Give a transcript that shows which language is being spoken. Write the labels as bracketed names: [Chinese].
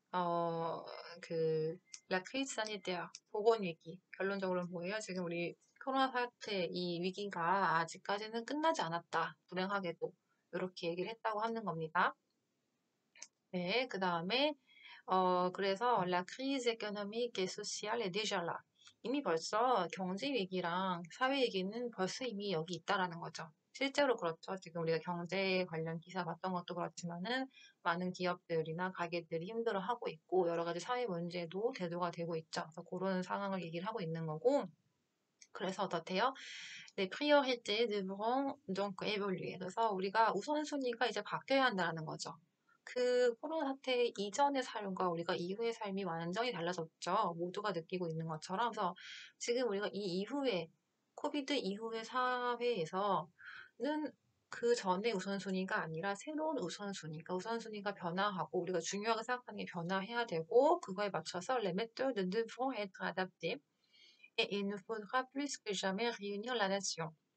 [French] La crise sanitaire, [Korean] 보건 위기. 결론적으로는 뭐예요? 지금 우리 코로나 사태 이 위기가 아직까지는 끝나지 않았다. 불행하게도 이렇게 얘기를 했다고 하는 겁니다. 네, 그 다음에 그래서 [French] La crise économique et sociale est déjà là. [Korean] 이미 벌써 경제 위기랑 사회 위기는 벌써 이미 여기 있다라는 거죠. 실제로 그렇죠. 지금 우리가 경제 관련 기사 봤던 것도 그렇지만은 많은 기업들이나 가게들이 힘들어하고 있고 여러 가지 사회 문제도 대두가 되고 있죠. 그래서 그런 상황을 얘기를 하고 있는 거고. 그래서 어떻대요? [French] Les priorités devront donc évoluer. [Korean] 그래서 우리가 우선순위가 이제 바뀌어야 한다는 거죠. 그 코로나 사태 이전의 삶과 우리가 이후의 삶이 완전히 달라졌죠. 모두가 느끼고 있는 것처럼. 그래서 지금 우리가 이 이후에 코비드 이후의 사회에서는 그 전에 우선순위가 아니라 새로운 우선순위가 우선순위가 변화하고 우리가 중요하게 생각하는 게 변화해야 되고 그거에 맞춰서 [French] Les méthodes devront être adaptées et il ne faudra plus que jamais réunir la nation.